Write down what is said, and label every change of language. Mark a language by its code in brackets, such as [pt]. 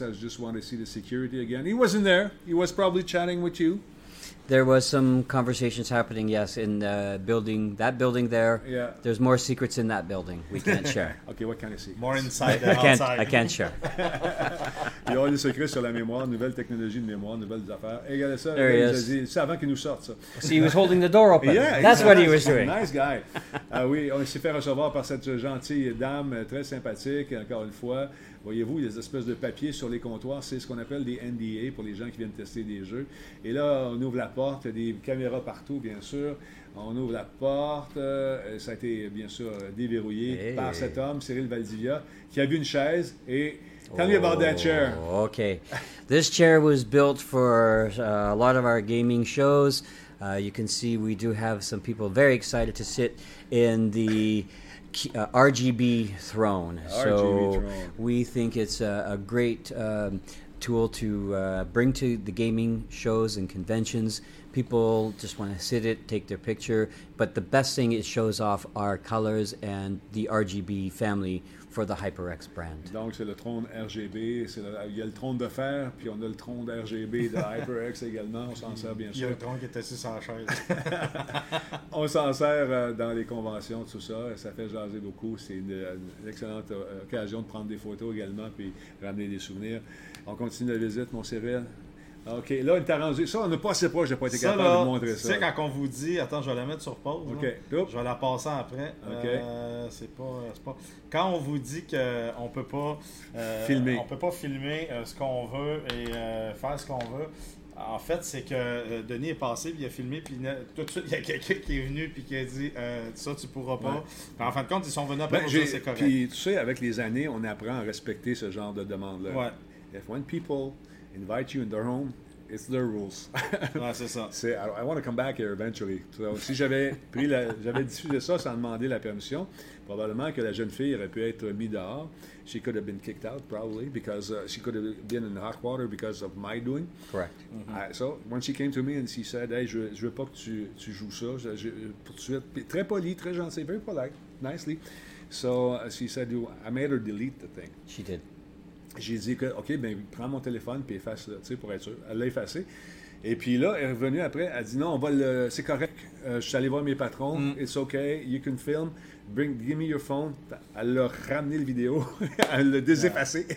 [en] I just want to see the security again. He wasn't there. He was probably chatting with you. There was some conversations happening, yes, in the building, that building there. Yeah. There's more secrets in that building we can't share. Okay, what kind of secrets? More inside than outside. I can't share. [fr] Il y a des secrets sur la mémoire, nouvelle technologie de mémoire, nouvelles affaires. Et regardez ça. [en] There he is. [fr] C'est avant qu'il nous sorte, ça. [en] See, he was holding the door open. Yeah, that's what he was doing. Nice guy. [fr] Oui, on s'est fait recevoir par cette gentille dame, très sympathique, encore une fois. Voyez-vous, les espèces de papiers sur les comptoirs, c'est ce qu'on appelle des NDA pour les gens qui viennent tester des jeux. Et là, on ouvre la porte, des caméras partout, bien sûr. On ouvre la porte, ça a été, bien sûr, déverrouillé hey. Par cet homme, Cyril Valdivia, qui a vu une chaise et... [en] Tell me about that chair. Okay. This chair was built for a lot of our gaming shows. You can see we do have some people very excited to sit in the... RGB throne. RGB so throne. We think it's a great tool to bring to the gaming shows and conventions. People just want to sit it, take their picture. But the best thing it shows off our colors and the RGB family for the HyperX brand. [fr] Donc c'est le trône RGB. C'est le, il y a le trône de fer, puis on a le trône de RGB de HyperX également. On s'en sert bien sûr. Il y a le trône qui est assis sur la chaise. On s'en sert dans les conventions, tout ça. Ça fait jaser beaucoup. C'est une excellente occasion de prendre des photos également, puis ramener des souvenirs. On continue la visite, mon Cyril. OK, là, il t'a rendu. Ça, on n'a pas assez proche, je n'ai pas été capable là, de montrer ça. Tu sais, quand on vous dit, attends, je vais la mettre sur pause. OK, hein? Je vais la passer après. OK. C'est pas. Quand on vous dit qu'on ne peut pas. Filmer. On peut pas filmer ce qu'on veut et faire ce qu'on veut, en fait, c'est que Denis est passé, puis il a filmé, puis tout de suite, il y a quelqu'un qui est venu, puis qui a dit, ça, tu ne pourras pas. Ouais. En fin de compte, ils sont venus après, ben, c'est correct. Puis, tu sais, avec les années, on apprend à respecter ce genre de demande-là. Ouais. [en] If when people. Invite you in their home, it's their rules. [fr] Ouais, c'est ça. [en] C'est, I want to come back here eventually. [fr] So, si j'avais diffusé ça sans demander la permission, probablement que la jeune fille aurait pu être mise dehors. [en] She could have been kicked out probably because she could have been in hot water because of my doing. Correct. [fr] Mm-hmm. [en] So when she came to me and she said, hey, [fr] je veux pas que tu joues ça, je, pour tout de suite, très poli, très gentil, [en] very polite, nicely. So she said, I made her delete the thing. She did. [fr] J'ai dit que, OK, ben prends mon téléphone puis efface-le, tu sais, pour être sûr. Elle l'a effacé. Et puis là, elle est revenue après. Elle a dit, non, on va le, c'est correct. Je suis allé voir mes patrons. [en] Mm. It's OK. You can film. Give me your phone. [fr] Elle a ramené le vidéo. Elle l'a déseffacé.